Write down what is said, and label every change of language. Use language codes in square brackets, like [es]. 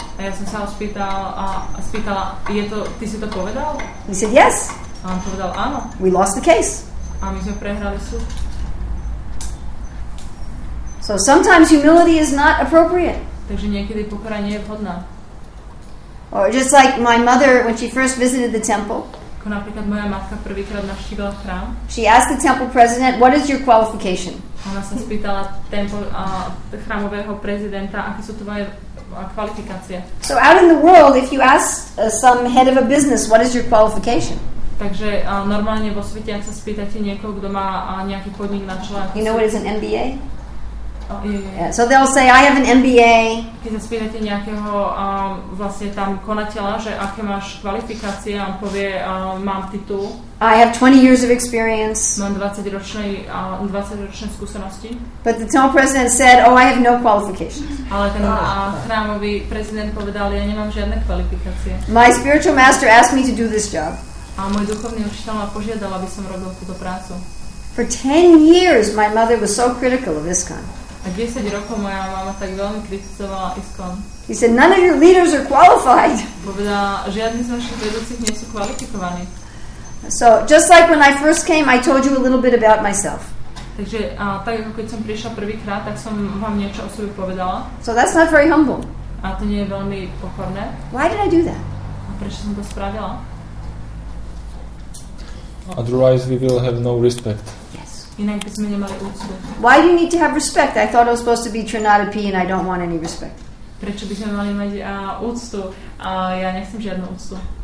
[sk] A ja som sa ho spýtala, je to, ty si to povedal? [en] He said, yes. [sk] A on povedal, áno. [en] We lost the case. [sk] A my sme prehrali súd. [en] So sometimes humility is not appropriate. [sk] Takže niekedy pokora nie je vhodná. [en] Or just like my mother, when she first visited the temple, [sk] napríklad moja matka prvýkrát navštívila chrám. [en] She asked the temple president, what is your qualification? [sk] Ona sa spýtala chrámového prezidenta, aké sú tvoje kvalifikácie. [en] So out in the world, if you ask some head of a business, what is your qualification? [sk] Takže normálne vo svete, ak sa spýtate niekoho, kto má nejaký podnik na čele. [en] You know what is an MBA? Yeah. So they'll say, I have an MBA. [sk] Keď sa spýtate nejakého vlastne tam konateľa, že aké máš kvalifikácie, on povie, mám titul. [en] I have 20 years of experience. [sk] Mám 20-ročné skúsenosti. [en] But the temple president said, oh, I have no qualifications. [sk] Ale ten chrámový prezident povedal, ja nemám žiadne kvalifikácie. [en] My spiritual master asked me to do this job. [sk] A môj duchovný učiteľ ma požiadal, aby som robil túto prácu. [en] For 10 years my mother was so critical of ISKCON. [sk] A 10 rokov moja mama tak veľmi kritizovala ISKCON. [en] He said, none of your leaders are qualified. [sk] Povedala, žiadny z našich vedúcich nie sú kvalifikovaní. [en] So, just like when I first came, I told you a little bit about myself. [sk] Takže, tak ako keď som prišla prvýkrát, tak som vám niečo o sebe povedala. [en] So that's not very humble. [sk] A to nie je veľmi pokorné. [en] Why did I do that? [sk] A prečo som to spravila? [en] Otherwise we will have no respect. [sk] Inak by sme nemali úctu. [en] Why do you need to have respect? I thought it was supposed to be Trinada P and I don't want any respect. [sk] Prečo by sme mali mať úctu? Ja nechcem žiadnu úctu.